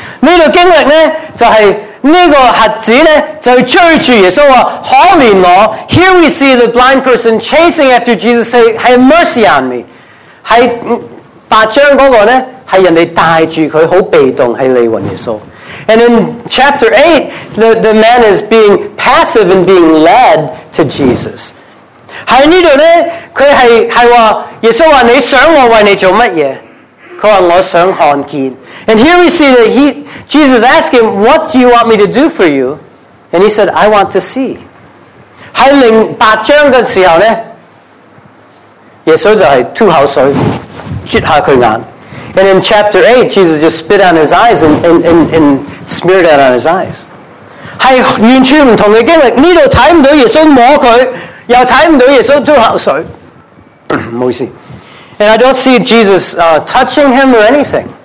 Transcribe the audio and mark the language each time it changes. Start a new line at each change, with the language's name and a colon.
Chinese: 这个经历呢，就是这个瞎子呢，就追着耶稣说，可怜我。
English: Here we see the blind person chasing after Jesus, say, have mercy on me。
Chinese: 是八章那个呢，是人家带着他很被动在来找耶稣。
English: And in chapter 8, the man is being passive and being led to Jesus。
Chinese: 在这里呢，他 是说，耶稣说，你想我为你做什么？他说，我想看见。
English: And here we see that Jesus asked him, what do you want me to do for you? And he said, I want to see。
Chinese: 在零八章的时候呢，耶稣就是吐口水，捽下他眼。
English: And in chapter 8, Jesus just spit on his eyes and smeared it on his eyes。
Chinese: 是完全不同的经历，这里看不到耶稣摸他，又看不到耶稣吐口水，不好意思。
English: And I don't see Jesus touching him or anything，